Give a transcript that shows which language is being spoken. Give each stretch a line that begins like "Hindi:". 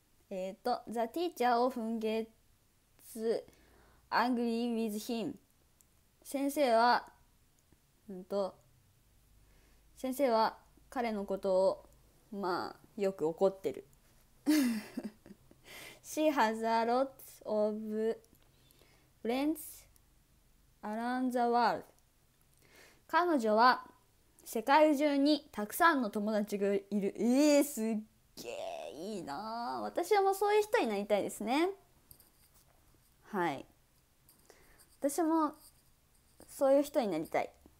English: The teacher often gets angry with him。
Japanese: 先生は、先生は彼のことをまあよく怒ってる。
English: She has a lot of friends around the world.
Japanese: 彼女は世界中にたくさんの友達がいる。すっげーいいなー。私はもうそういう人になりたいですね。はい、私もそういう人になりたい。